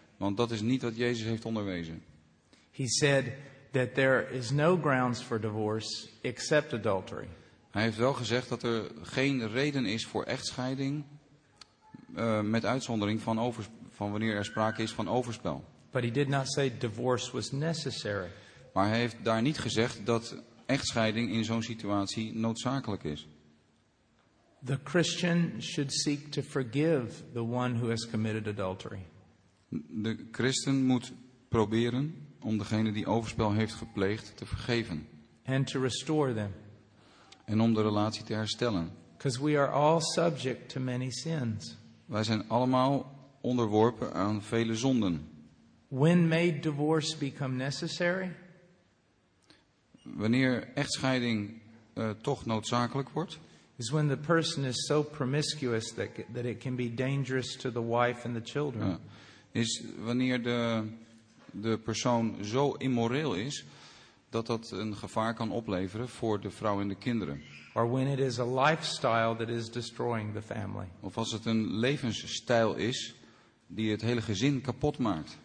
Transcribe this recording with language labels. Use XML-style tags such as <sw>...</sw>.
<nl>Want dat is niet wat Jezus heeft onderwezen.</nl> <en>He said that there is no grounds for divorce except adultery.</en> <nl>Hij heeft wel gezegd dat er geen reden is voor echtscheiding met uitzondering van wanneer er sprake is van overspel.</nl> <en>But he did not say divorce was necessary.</en> <nl>Maar hij heeft daar niet gezegd dat echtscheiding in zo'n situatie noodzakelijk is.</nl> <en>The Christian should seek to forgive the one who has committed adultery.</en> <nl>De christen moet proberen om degene die overspel heeft gepleegd te vergeven.</nl> <en>And to restore them.</en> <nl>En om de relatie te herstellen.</nl> <en>Because we are all subject to many sins.</en> <nl>Wij zijn allemaal onderworpen aan vele zonden.</nl> <en>When may divorce become necessary?</en> <nl>Wanneer echtscheiding toch noodzakelijk wordt?</nl> <en>Is when the person is so promiscuous that it can be dangerous to the wife and the children.</en> <nl>Ja. Is wanneer de persoon zo immoreel is dat dat een gevaar kan opleveren voor de vrouw en de kinderen.</nl> <en>Or when it is a lifestyle that is destroying the family.</en> <nl>Of als het een levensstijl is die het hele gezin kapot maakt.</nl>